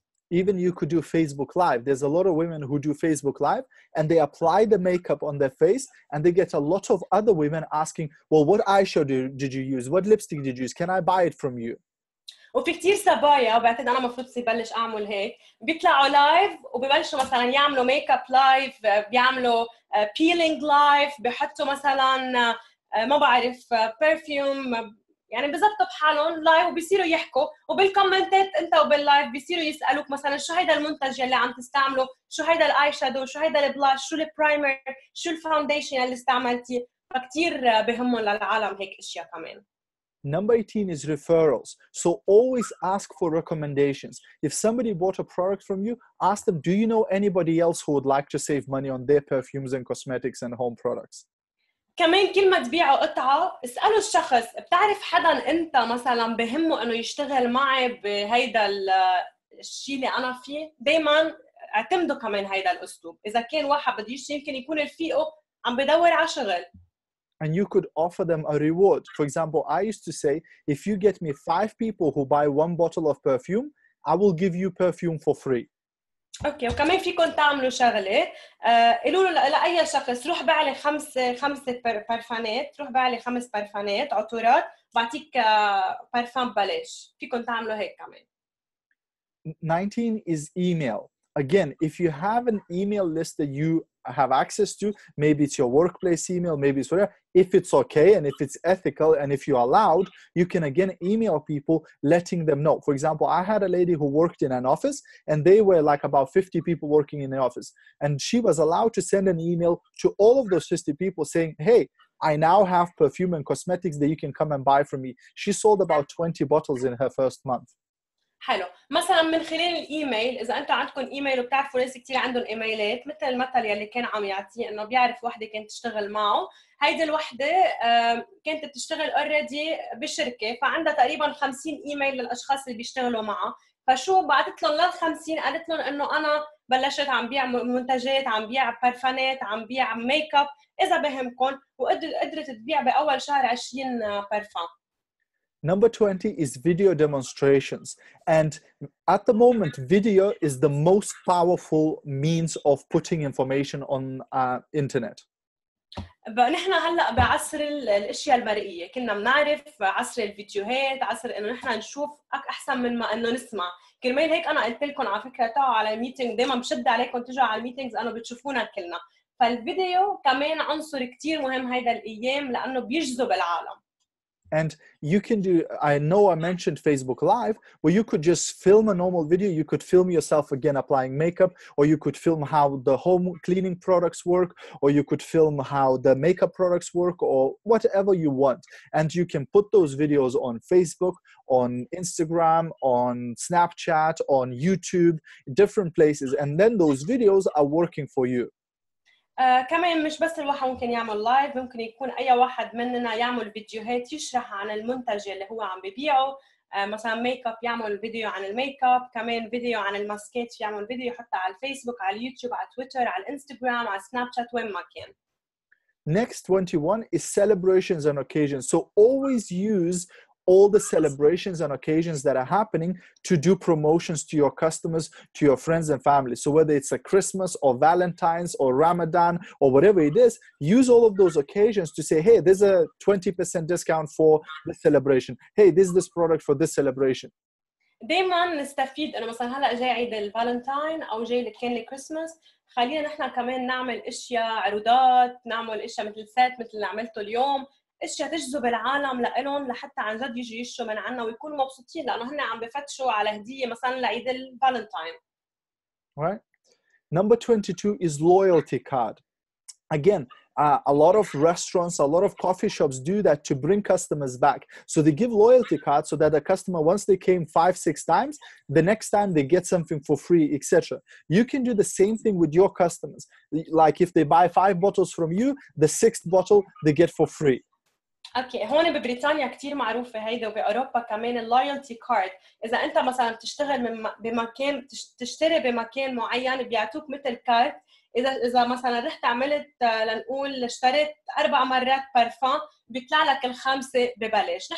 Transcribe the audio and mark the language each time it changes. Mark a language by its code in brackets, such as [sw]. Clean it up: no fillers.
[en] Even you could do Facebook Live. There's a lot of women who do Facebook Live and they apply the makeup on their face and they get a lot of other women asking, well, what eyeshadow did you use? What lipstick did you use? Can I buy it from you? [ar] وفي كتير صبايا وبعتقد أنا مفروض سيبلش أعمل هيك بيطلعوا لايف وبيبلشوا مثلا يعملوا ميك اب لايف بيعملوا بيلينج لايف بحطوا مثلا ما بعرف بيرفيوم يعني بزبطوا بحالهم لايف وبيصيروا يحكوا وبالكومنتات انت وباللايف بيصيروا يسألوك مثلا شو هيدا المنتج اللي عم تستعمله شو هيدا الاي شادو شو هيدا البلاش شو البرايمر شو الفاونديشن اللي استعملتي فكتير بهمهم للعالم هيك اشياء كمان. [en] Number 18 is referrals. So always ask for recommendations. If somebody bought a product from you, ask them, do you know anybody else who would like to save money on their perfumes and cosmetics and home products? [ar] كمان كلمة بيع أو قطعة اسألوا الشخص بتعرف حدا انت مثلا بهمه انه يشتغل معي بهيدا الشيء اللي انا فيه دايما اعتمدوا كمان هيدا الاسلوب اذا كان واحد بده يشتري يمكن يكون رفيقه عم بدور على شغل. [en] And you could offer them a reward. For example, I used to say, if you get me 5 people who buy 1 bottle of perfume, I will give you perfume for free. [ar] Okay, وكمان فيكم تعملوا شغلة. قلوا له لأي شخص روح بيع لي 5 برفانات، روح بيع لي 5 برفانات عطورات، بعطيك برفان ببلاش. فيكم تعملوا هيك كمان. [en] 19 is email. Again, if you have an email list that you have access to, maybe it's your workplace email, maybe it's whatever, if it's okay and if it's ethical and if you're allowed, you can again email people letting them know. For example, I had a lady who worked in an office and they were like about 50 people working in the office. And she was allowed to send an email to all of those 50 people saying, hey, I now have perfume and cosmetics that you can come and buy from me. She sold about 20 bottles in her first month. [ar] حلو مثلا من خلال الايميل اذا انتم عندكم ايميل وبتعرفوا ناس كثير عندهم ايميلات مثل المثل يلي كان عم يعطيه انه بيعرف وحده كانت تشتغل معه هيدي الوحده كانت بتشتغل اوريدي بشركه فعندها تقريبا 50 ايميل للاشخاص اللي بيشتغلوا معها فشو بعثت لهم لل 50 قالت لهم انه انا بلشت عم بيع منتجات عم بيع برفانات عم بيع ميك اب اذا بهمكم وقدرت تبيع باول شهر 20 برفان. [en] Number 20 is video demonstrations. And at the moment, video is the most powerful means of putting information on internet. [ar] نحن هلا بعصر الاشياء المرئيه، كنا بنعرف عصر الفيديوهات، عصر انه نحن نشوف احسن من ما انه نسمع، كرمال هيك انا قلت لكم على فكره تعوا على الميتنج دائما بشد عليكم تجوا على الميتنجز انه بتشوفونا كلنا، فالفيديو كمان عنصر كثير مهم هيدا الايام لانه بيجذب العالم. [en] And you can do, I know I mentioned Facebook Live, where you could just film a normal video, you could film yourself again applying makeup, or you could film how the home cleaning products work, or you could film how the makeup products work, or whatever you want. And you can put those videos on Facebook, on Instagram, on Snapchat, on YouTube, different places. And then those videos are working for you. [ar] كمان مش بس الواحد ممكن يعمل لايف ممكن يكون اي واحد مننا يعمل فيديوهات يشرح عن المنتج اللي هو عم ببيعه مثلا ميك اب يعمل فيديو عن الميك اب، كمان فيديو عن الماسكات يعمل فيديو يحطه على الفيسبوك على اليوتيوب على تويتر على الانستغرام على سناب شات وين ما كان. [en] Next 21 is celebrations and occasions. So always use all the celebrations and occasions that are happening to do promotions to your customers, to your friends and family. So whether it's a Christmas or Valentine's or Ramadan or whatever it is, use all of those occasions to say, hey, there's a 20% discount for the celebration. Hey, this is this product for this celebration. [ar] دائما نستفيد انه مثلا هلا جاي عيد الفالنتاين او جاي كان لي كريسماس، خلينا نحن كمان نعمل اشياء عروضات، نعمل اشياء مثل سات مثل اللي عملته اليوم، اشياء تجذب العالم لالهم لحتى عن جد يجوا يشتروا من عنا ويكونوا مبسوطين لانه هن عم بفتشوا على هديه مثلا لعيد الفالنتاين. [en] Right. Number 22 is loyalty card. Again, a lot of restaurants, a lot of coffee shops do that to bring customers back. So they give loyalty cards so that a customer, once they came 5-6 times, the next time they get something for free, etc. You can do the same thing with your customers. Like if they buy 5 bottles from you, the 6th bottle they get for free. [ar] Okay, هون ببريطانيا كتير معروفة هيدا وبأوروبا كمان loyalty card. إذا أنت مثلا بتشتغل بمكان تشتري بمكان معين بيعطوك مثل كارت. إذا مثلا رحت عملت لنقول اشتريت 4 مرات بارفان بيطلع لك الخامسة ببلاش.